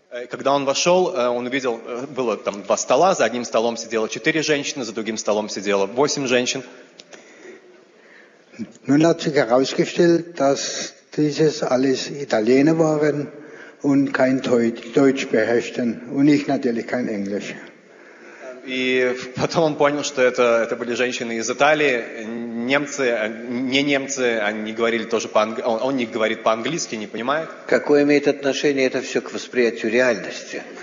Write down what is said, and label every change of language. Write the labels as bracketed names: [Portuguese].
[Russian] Когда он вошел, он увидел, было там 2 стола, за одним столом сидело 4 женщины, за другим столом сидело 8 женщин. [German] Nun hat sich herausgestellt, dass dieses alles Italiener waren und kein Deutsch beherrschten und ich natürlich kein Englisch. [Russian] И потом он понял, что это были женщины из Италии, немцы, не немцы, они говорили тоже по-английски, он не говорит по-английски, не понимает. Какое имеет отношение это все к восприятию реальности?